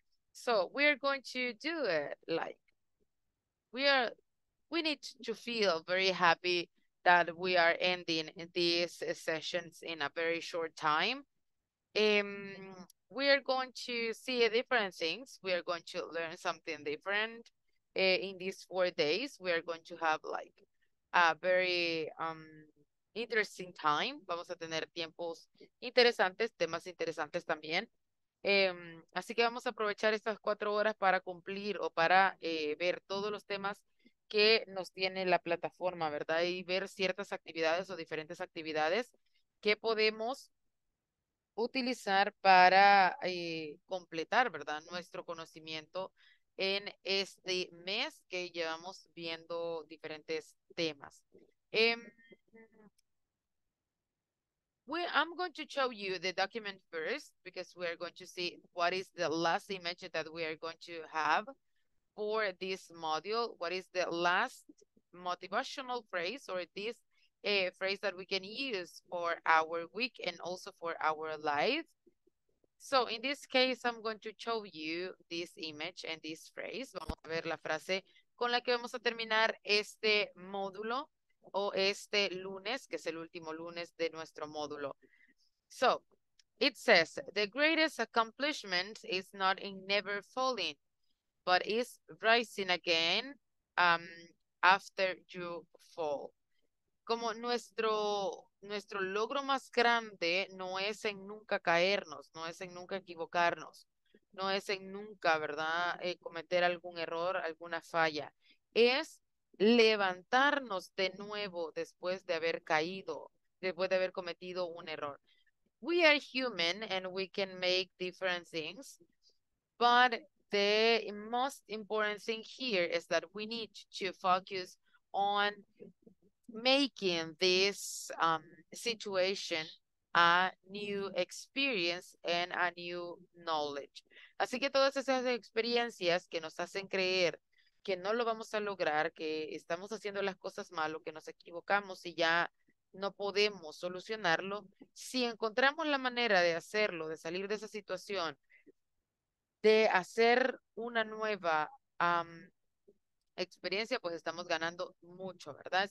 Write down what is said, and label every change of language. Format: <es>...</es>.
<en>So we are going to do it like we need to feel very happy that we are ending these sessions in a very short time. We are going to see different things. We are going to learn something different in these 4 days. We are going to have like a very interesting time.</en> <es>Vamos a tener tiempos interesantes, temas interesantes también. Así que vamos a aprovechar estas 4 horas para cumplir o para ver todos los temas que nos tiene la plataforma, ¿verdad? Y ver ciertas actividades o diferentes actividades que podemos utilizar para completar, ¿verdad? Nuestro conocimiento en este mes que llevamos viendo diferentes temas.</es> <en>I'm going to show you the document first because we are going to see what is the last image that we are going to have for this module. What is the last motivational phrase or this phrase that we can use for our week and also for our life? So in this case, I'm going to show you this image and this phrase.</en> <es>Vamos a ver la frase con la que vamos a terminar este módulo o este lunes, que es el último lunes de nuestro módulo.</es> <en>So it says, the greatest accomplishment is not in never falling, but it's rising again after you fall.</en> <es>Como nuestro logro más grande no es en nunca caernos, no es en nunca equivocarnos, no es en nunca, ¿verdad?, cometer algún error, alguna falla. Es levantarnos de nuevo después de haber caído, después de haber cometido un error.</es> <en>We are human and we can make different things, but the most important thing here is that we need to focus on making this situation a new experience and a new knowledge.</en> <es>Así que todas esas experiencias que nos hacen creer que no lo vamos a lograr, que estamos haciendo las cosas mal o que nos equivocamos y ya no podemos solucionarlo, si encontramos la manera de hacerlo, de salir de esa situación, de hacer una nueva experiencia, pues estamos ganando mucho, ¿verdad?</es>